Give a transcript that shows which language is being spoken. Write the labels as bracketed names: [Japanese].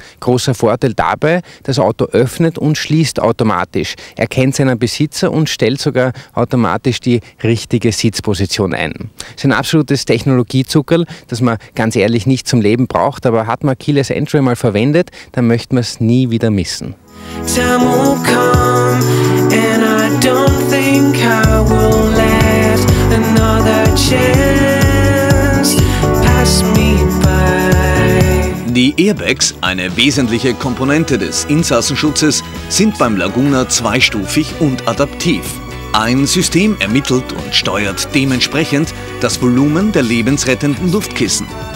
[German] Großer Vorteil dabei, das Auto öffnet und schließt automatisch, erkennt seinen Besitzer und stellt sogar automatisch die richtige Sitzposition ein. Ist ein absolutes Technologiezuckerl, das man ganz ehrlich nicht zum Leben braucht, aber hat man Keyless Entry mal verwendet, dann möchte man es nie wieder missen. [English] Time will come and I don't think I will let another chance pass me by. [German] Die Airbags, eine wesentliche Komponente des Insassenschutzes, sind beim Laguna 2-stufig und adaptiv. Ein System ermittelt und steuert dementsprechend das Volumen der lebensrettenden Luftkissen.